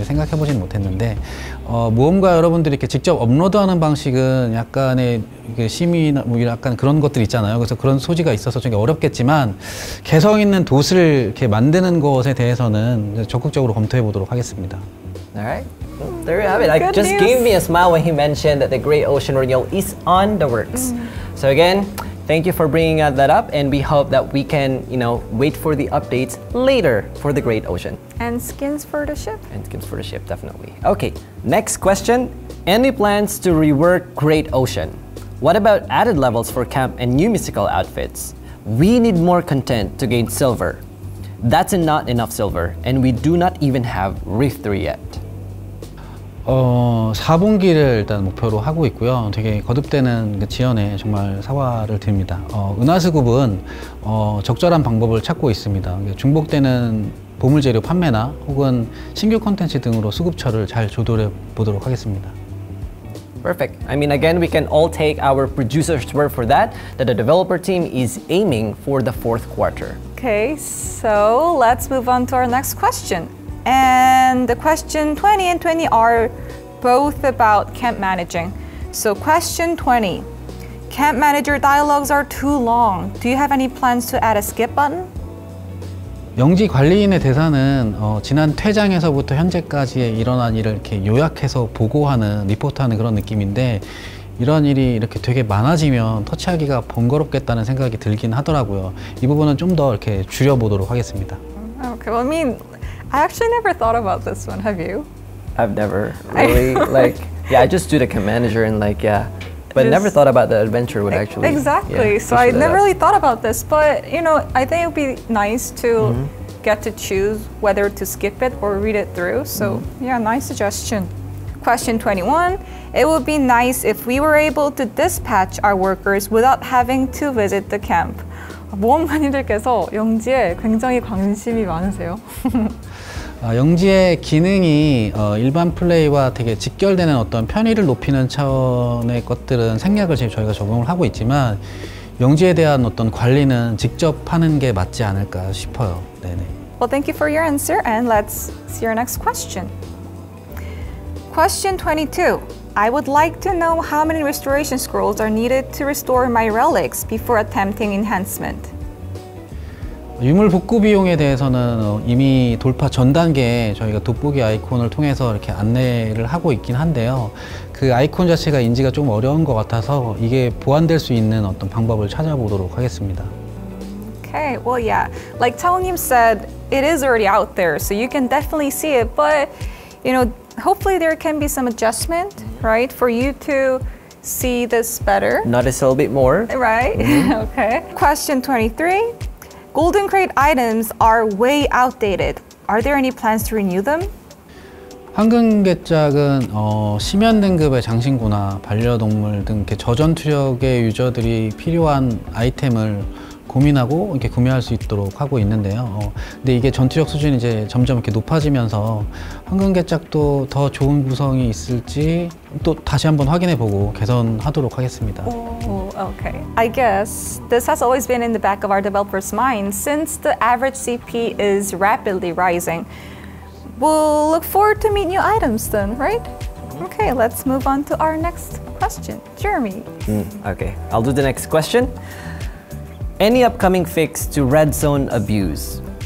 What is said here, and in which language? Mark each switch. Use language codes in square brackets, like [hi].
[ko] 생각해보진 못했는데 모험가 여러분들이 이렇게 직접 업로드하는 방식은 약간의 심의나 뭐 약간 그런 것들 있잖아요. 그래서 그런 소지가 있어서 좀 어렵겠지만 개성 있는 돛을 이렇게 만드는 것에 대해서는 적극적으로 검토해 보도록 하겠습니다. [en] Alright, there you have it. I just gave me a smile when he mentioned that the Great Ocean Renewal is on the works. So again, thank you for bringing that up, and we hope that we can, you know, wait for the updates later for the Great Ocean. And skins for the ship. And skins for the ship, definitely. Okay, next question Any plans to rework Great Ocean? What about added levels for camp and new mystical outfits? We need more content to gain silver. That's not enough silver, and we do not even have Reef 3 yet. [ko] 4분기를 일단 목표로 하고 있고요. 되게 거듭되는 그 지연에 정말 사과를 드립니다. 은하수급은 적절한 방법을 찾고 있습니다. 중복되는 보물재료 판매나 혹은 신규 콘텐츠 등으로 수급처를 잘 조절해 보도록 하겠습니다. [en] Perfect. I mean, again, we can all take our producer's word for that, that the developer team is aiming for the fourth quarter. Okay, so let's move on to our next question. And the question 20 and 20 are both about camp managing. So question 20, camp manager dialogues are too long. Do you have any plans to add a skip button? [ko] 영지 관리인의 대사는 지난 퇴장에서부터 현재까지 일어난 일을 이렇게 요약해서 보고하는 리포트하는 그런 느낌인데 이런 일이 이렇게 되게 많아지면 터치하기가 번거롭겠다는 생각이 들긴 하더라고요. 이 부분은 좀 더 이렇게 줄여 보도록 하겠습니다. [en] Okay, well, I mean, I actually never thought about this one. Have you? I've never really like yeah. I just do the camp manager and like yeah. But just, never thought about the adventure would actually... Exactly. Yeah, so I never really thought about this. But, you know, I think it would be nice to mm-hmm. get to choose whether to skip it or read it through. So, mm-hmm. yeah, nice suggestion. Question 21. It would be nice if we were able to dispatch our workers without having to visit the camp. [ko] 모험가님들께서 영지에 굉장히 관심이 많으세요. 영지의 기능이 일반 플레이와 되게 직결되는 어떤 편의를 높이는 차원의 것들은 생략을 지금 저희가 적용을 하고 있지만 영지에 대한 어떤 관리는 직접 하는 게 맞지 않을까 싶어요. 네네. [en] Well, thank you for your answer and let's see your next question. Question 22. I would like to know how many restoration scrolls are needed to restore my relics before attempting enhancement. [ko] 유물 복구 비용에 대해서는 이미 돌파 전 단계에 저희가 돋보기 아이콘을 통해서 이렇게 안내를 하고 있긴 한데요. 그 아이콘 자체가 인지가 좀 어려운 것 같아서 이게 보완될 수 있는 어떤 방법을 찾아보도록 하겠습니다. [en] Okay, well, yeah. Like Chao-nim said, it is already out there, so you can definitely see it. But, you know, hopefully there can be some adjustment, right, for you to see this better. Notice a little bit more. Right, mm-hmm. Okay. Question 23. Golden Crate items are way outdated. Are there any plans to renew them? [ko] 황금계짝은 심연 등급의 장신구나 반려동물 등 이렇게 저전 투력의 유저들이 필요한 아이템을 고민하고 이렇게 구매할 수 있도록 하고 있는데요. 근데 이게 전투력 수준이 이제 점점 이렇게 높아지면서 황금계짝도 더 좋은 구성이 있을지 또 다시 한번 확인해보고 개선하도록 하겠습니다. [en] Oh, okay. I guess this has always been in the back of our developers' mind since the average CP is rapidly rising. We'll look forward to meet new items then, right? Okay, let's move on to our next question. Jeremy. Okay, I'll do the next question. Any upcoming fix to red zone abuse?